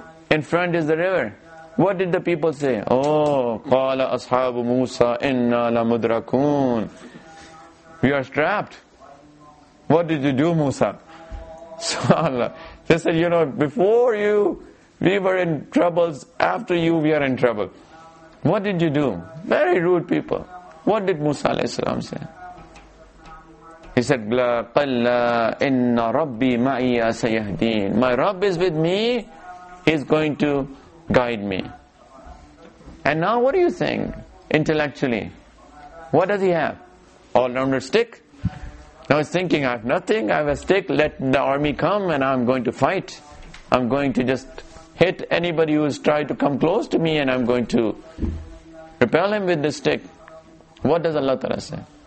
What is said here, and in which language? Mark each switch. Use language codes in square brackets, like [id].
[en] In front is the river. What did the people say? Oh, [ar] قَالَ أَصْحَابُ مُوسَىٰ إِنَّا لَمُدْرَكُونَ. [en] You are strapped. What did you do, Musa? Subhanallah. They said, you know, before you, we were in troubles. After you, we are in trouble. What did you do? Very rude people. What did Musa alayhi salam say? He said, [ar] قَلَّا إِنَّ رَبِّي مَعِيَا سَيَهْدِينَ. [en] My Rabb is with me. He's going to guide me. And now what do you think, intellectually? What does he have? All-rounder stick? Now he's thinking, I have nothing, I have a stick, let the army come and I'm going to fight. I'm going to just hit anybody who's tried to come close to me and I'm going to repel him with this stick. What does Allah Ta'ala say?